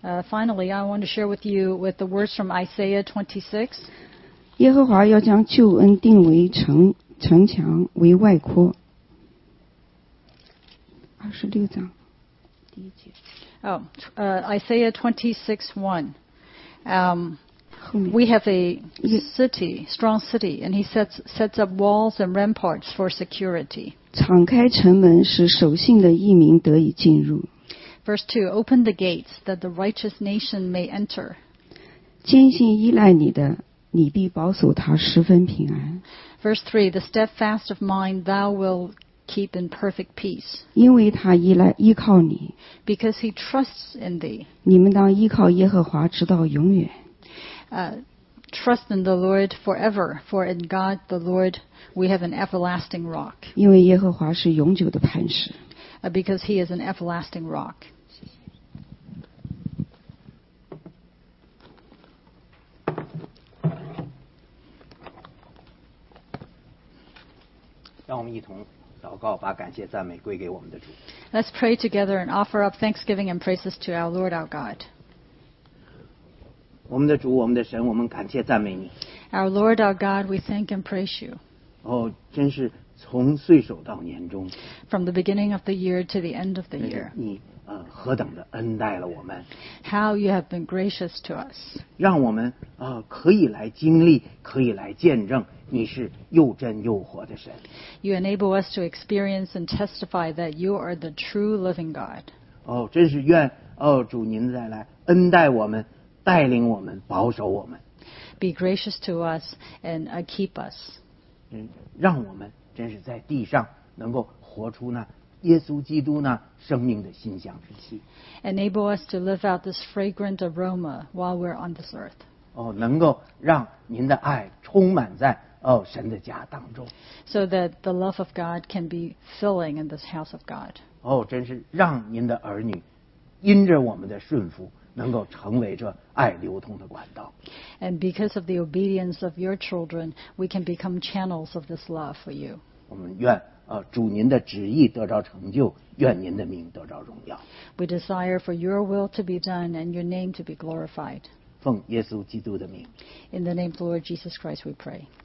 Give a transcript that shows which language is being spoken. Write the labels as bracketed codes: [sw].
[en] Finally, I want to share with you with the words from Isaiah 26. [zh] 耶和华要将救恩定为城墙，为外廓。二十六章第一节。 [en] Isaiah 26:1. We have a city, strong city, and he sets up walls and ramparts for security. [zh] 敞开城门，使守信的义民得以进入。 [en] Verse 2, open the gates that the righteous nation may enter. [zh] 坚信依赖你的，你必保守他十分平安。 [en] Verse 3, the steadfast of mind, thou wilt keep in perfect peace. [zh] 因为他依靠你。 [en] Because he trusts in thee. [zh] 你们当依靠耶和华直到永远。 [en] Trust in the Lord forever, for in God the Lord we have an everlasting rock. [zh] 因为耶和华是永久的磐石。 [en] Because he is an everlasting rock. [zh] 让我们一同祷告，把感谢赞美归给我们的主。 [en] Let's pray together and offer up thanksgiving and praises to our Lord, our God. [zh] 我们的主，我们的神，我们感谢赞美你。 [en] Our Lord, our God, we thank and praise you. [zh] 哦，真是。从岁首到年终 [en] from the beginning of the year to the end of the year [zh] 你何等的恩待了我们 [en] how you have been gracious to us [zh] 让我们可以来经历可以来见证你是又真又活的神 [en] you enable us to experience and testify that you are the true living God [zh] 哦真是愿哦主您再来恩待我们带领我们保守我们 [en] be gracious to us and keep us [zh] 让我们真是在地上能够活出那耶稣基督那生命的馨香之气。 [en] Enable us to live out this fragrant aroma while we're on this earth. [zh] 哦，能够让您的爱充满在哦神的家当中。 [en] So that the love of God can be filling in this house of God. [zh] 哦，真是让您的儿女因着我们的顺服。能够成为这爱流通的管道。 [en] And because of the obedience of your children, we can become channels of this love for you. [zh] 我们愿主您的旨意得着成就，愿您的名得着荣耀。 [en] We desire for your will to be done and your name to be glorified. [zh] 奉耶稣基督的名。 [en] In the name of the Lord Jesus Christ, we pray.